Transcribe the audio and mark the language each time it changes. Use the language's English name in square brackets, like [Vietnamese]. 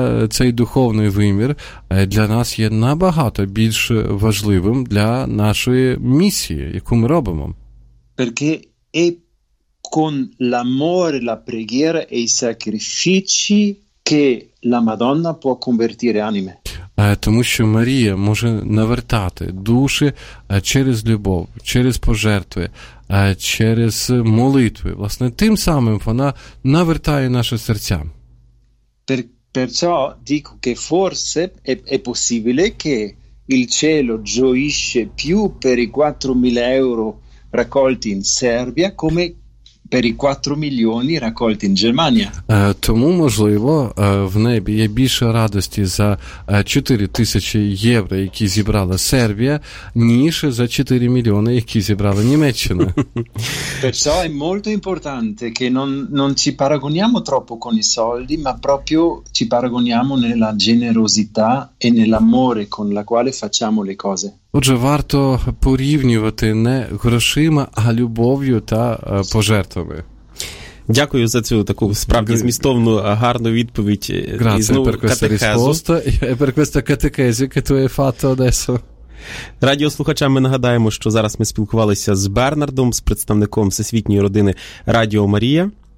[Ukrainian] Цей духовний вимір для нас є набагато більш важливим для нашої місії, яку ми робимо. [Italian] Perché è con l'amore, la preghiera e i sacrifici che la Madonna può convertire anime. [Ukrainian] Тому що Марія може навертати душі через любов, через пожертви, через молитви. Власне, тим самим вона навертає наше серця. [Italian] Per, Perciò dico che forse è possibile che il cielo gioisce più per i 4.000 euro raccolti in Serbia come per i 4 мільйони raccolti in Germania. [Ukrainian] Тому, можливо, в небі є більше радості за 4 тисячі євро, які зібрала Сербія, ніж за 4 мільйони, які зібрала Німеччина. [Italian] Perciò è molto importante che non ci paragoniamo troppo con i soldi, ma proprio ci paragoniamo nella generosità e nell'amore con la quale facciamo le cose. [Ukrainian] Отже, варто порівнювати не грошима, а любов'ю та пожертвами. Дякую за цю таку справді змістовну, гарну відповідь. [Italian] Grazie, [Ukrainian] і знову катехезу. [Italian] Per questa catechesi che tu hai fatto adesso. [Ukrainian] Радіослухачам ми нагадаємо, що зараз ми спілкувалися з Бернардом, з представником всесвітньої родини Радіо Марія.